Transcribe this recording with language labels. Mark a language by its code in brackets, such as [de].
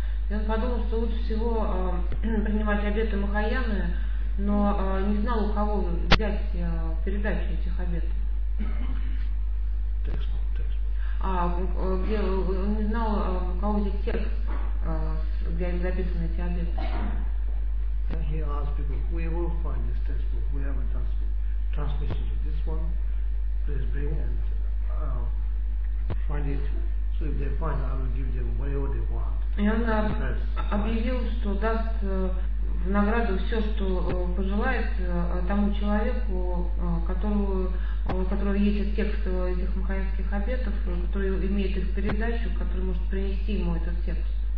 [ru] И он подумал, что лучше всего принимать обеты Махаяны, но не знал, у кого взять передачу этих обетов. Он не знал, у кого взять текст, где они записаны эти обеты. [en] And he asked people, whoever find this textbook, whoever transmission to this one, please bring and find it. So if they find, I will give them whatever they want. [ru] И он объявил, что даст в награду все, что пожелает тому человеку, у которого есть текст этих махаянских обетов, который имеет их передачу, который может принести ему этот текст.